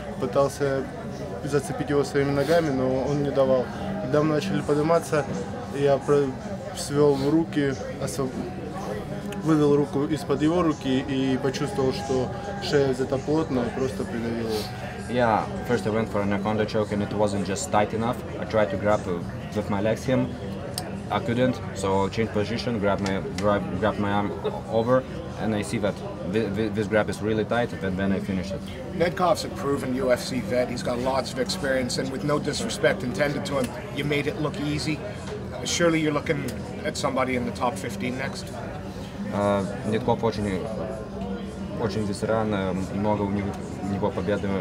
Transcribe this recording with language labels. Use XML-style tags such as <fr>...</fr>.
<ru>Пытался зацепить его своими ногами, но он не давал. Когда мы начали подниматься, я свел руки, вывел руку из-под его руки и почувствовал, что шея взята плотно, и просто придавил ее.</ru> <en>Yeah, first I went for an anaconda choke and it wasn't just tight enough. I tried to grab with my legs him. I couldn't, so I changed position, grabbed my arm over, and I see that this grab is really tight, and then I finish it. Nedkov's a proven UFC vet. He's got lots of experience, and with no disrespect intended to him, you made it look easy. Surely you're looking at somebody in the top 15 next.</en> <ru>Нетков очень ветеран, много у него побед.</ru>